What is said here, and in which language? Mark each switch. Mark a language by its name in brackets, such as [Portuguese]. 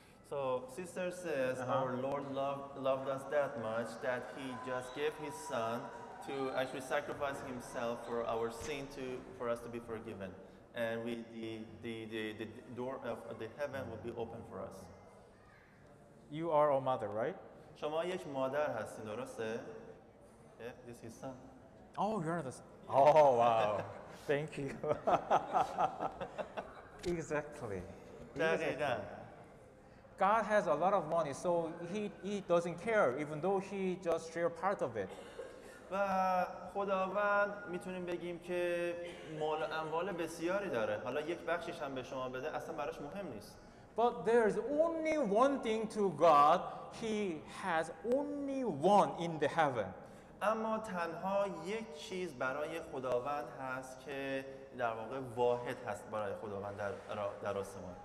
[English] So sister says our Lord loved us that much that he just gave his son to actually sacrifice himself for our sin for us to be forgiven, and we the door of the heaven will be open for us. You are a mother, right? [Persian] شما یک مادر هستین، درسته؟ [English] Yeah, this is his son. Oh, you're the son. Oh, wow. Thank you. Exactly. [Persian] دقیقاً. [English] God has a lot of money, so he doesn't care, even though he just share part of it. [Persian] و خداوند میتونیم بگیم که مال و اموال بسیاری داره. حالا یک بخشش هم به شما بده، اصلا براش مهم نیست. [English] But there is only one thing to God. He has only one in the heaven. [Persian] اما تنها یک چیز برای خداوند هست که در واقع واحد هست برای خداوند در آسمان.